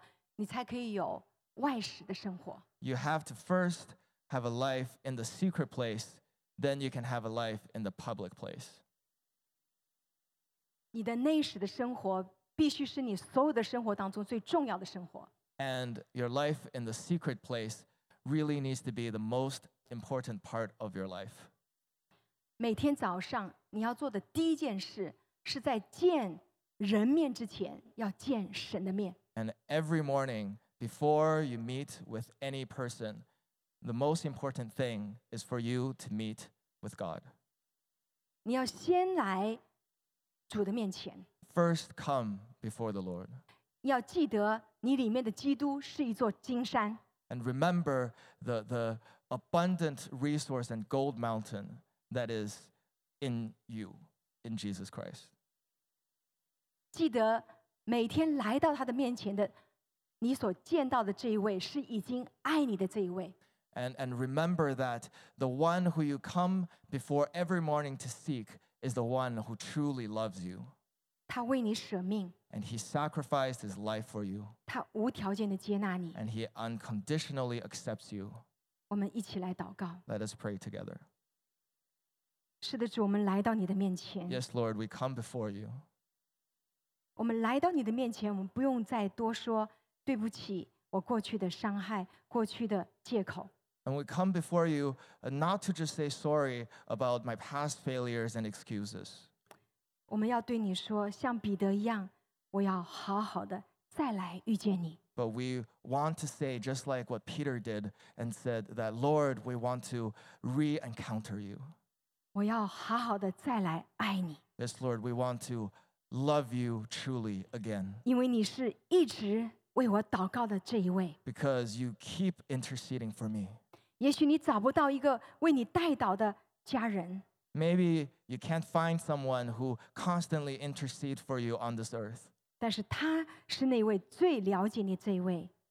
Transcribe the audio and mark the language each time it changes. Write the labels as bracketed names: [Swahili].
[Chinese] 你必须要有内室的生活，你才可以有外室的生活。 [English] You have to first have a life in the secret place, then you can have a life in the public place. [Chinese] 你的内室的生活必须是你所有的生活当中最重要的生活。 [English] And your life in the secret place really needs to be the most important part of your life. [Chinese] 每天早上你要做的第一件事是在见 人面之前要见神的面。 [English] And every morning, before you meet with any person, the most important thing is for you to meet with God. [Chinese] 你要先来主的面前。 [English] First come before the Lord. [Chinese] 要记得你里面的基督是一座金山。 [English] And remember the abundant resource and gold mountain that is in you, in Jesus Christ. [Chinese] 记得每天来到他的面前的，你所见到的这一位是已经爱你的这一位。 [English] And remember that the one who you come before every morning to seek is the one who truly loves you. [Chinese] 他为你舍命。 [English] And he sacrificed his life for you. [Chinese] 他无条件的接纳你。 [English] And he unconditionally accepts you. [Chinese] 我们一起来祷告。 [English] Let us pray together. [Chinese] 是的，主，我们来到你的面前。 [English] Yes, Lord, we come before you. [Chinese] 我们来到你的面前，我们不用再多说对不起，我过去的伤害，过去的借口。 [English] And we come before you not to just say sorry about my past failures and excuses. [Chinese] 再来遇见你。 [English] But we want to say just like what Peter did and said that, Lord, we want to re-encounter you. [Chinese] 我要好好的再来爱你。 [English] Yes, Lord, we want to love you truly again. [Chinese] 因为你是一直为我祷告的这一位。 [English] Because you keep interceding for me. [Chinese] 也许你找不到一个为你代祷的家人。 [English] Maybe you can't find someone who constantly intercedes for you on this earth. [Chinese] 但是他是那位最了解你这一位。